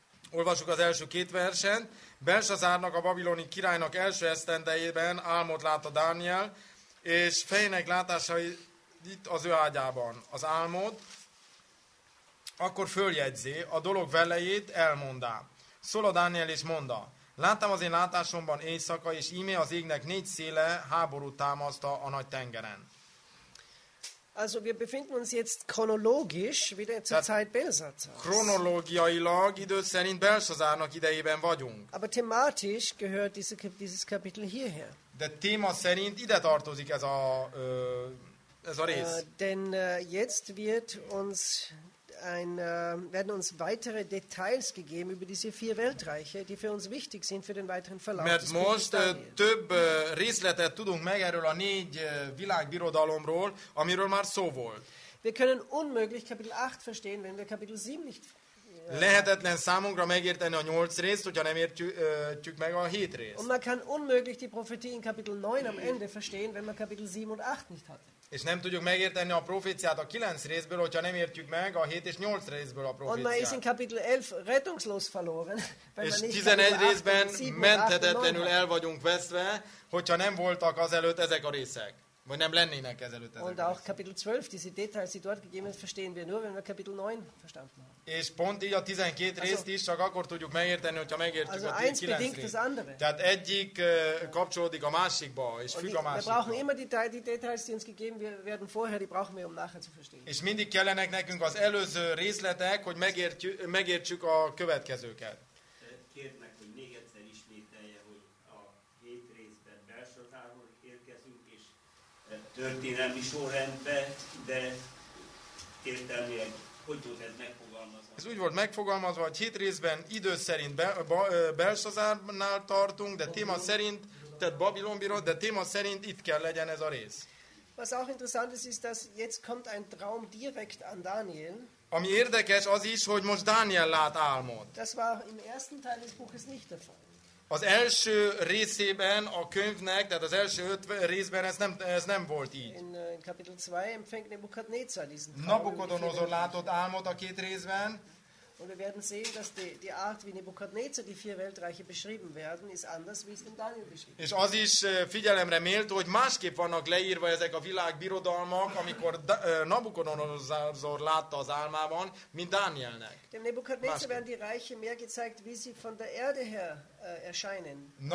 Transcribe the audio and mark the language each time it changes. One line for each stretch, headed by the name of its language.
Hungarian: Olvassuk az első két versen. Belsazárnak, a babiloni királynak első esztendejében álmot látta Dániel, és fejének látása itt az ő ágyában. Az álmot akkor följegyzi, a dolog velejét elmondá. Szól a Dániel és mondta: láttam az én látásomban éjszaka, és íme az égnek négy széle háborút támaszta a nagy tengeren.
German: Also wir befinden uns jetzt chronologisch wieder zur Zeit Belsazar.
Hungarian: Chronológiailag idő szerint Belsazárnak idejében vagyunk.
German: Aber thematisch gehört dieses Kapitel hierher.
Hungarian: De téma szerint ide tartozik ez a rész.
German: Jetzt wird uns werden uns weitere Details gegeben über diese vier Weltreiche, die für uns wichtig sind für den weiteren Verlauf.
Hungarian: Mert most több részletet tudunk meg erről a négy világbirodalomról, amiről már szó volt.
German: Wir können unmöglich Kapitel 8 verstehen, wenn wir Kapitel 7 nicht.
Hungarian: Lehetetlen számunkra megérteni a 8 részt, hogyha nem értjük meg a 7 részt.
German: Und man kann unmöglich die Prophetie in Kapitel 9 am Ende verstehen, wenn man Kapitel 7 und 8 nicht hatte.
Hungarian: És nem tudjuk megérteni a proféciát a 9 részből, hogyha nem értjük meg a 7 és 8 részből a proféciát.
German: Und man ist in Kapitel 11 rettungslos verloren.
Hungarian: És 11 részben menthetetlenül el vagyunk veszve, hogyha nem voltak azelőtt ezek a részek. Vagy nem lennének ezelőtt ezek.
German: Und auch Kapitel 12, diese Details, die dort gegeben sind, verstehen wir nur, wenn wir Kapitel 9 verstanden haben.
Hungarian: És pont így a 12 részt is csak akkor tudjuk megérteni, hogyha megértjük a 9 részt. Tehát egyik kapcsolódik a másikba, és függ a másikba.
German: Wir brauchen immer die Details, die uns gegeben werden vorher, die brauchen wir, um nachher zu verstehen.
Hungarian: És mindig kellenek nekünk az előző részletek, hogy megértsük a következőket. Kérnek, hogy még egyszer ismételje, hogy a hét részben Belsazárról érkezünk, és történelmi sorrendbe, de értelmileg ez úgy volt megfogalmazva, hogy hét részben idő szerint Belsazárnál tartunk, de téma szerint, tehát Babilonbiro, de téma szerint itt kell legyen ez a rész.
German: Was auch interessant ist, dass jetzt kommt ein Traum direkt an Daniel.
Hungarian: Ami érdekes az is, hogy most Daniel lát álmot.
German: Das war im ersten Teil des Buches nicht der Fall.
Hungarian: Az első részében a könyvnek, tehát az első öt részben ez nem volt így.
German: In Kapitel 2 empfängt Nebukadnezar diesen Traum.
Hungarian: Nabukodonozor látott álmot a két részben.
German: Und wir werden sehen, dass die Art, wie Nebukadnezar die vier Weltreiche beschrieben werden, ist anders, wie es in Daniel beschrieben.
Hungarian: És az is figyelemre méltó, hogy másképp vannak leírva ezek a világbirodalmak, amikor Nabukodonozor látta az álmában, mint Dánielnek.
German: Dem Nebukadnezar werden die Reiche mehr gezeigt, wie sie von der Erde her erscheinen.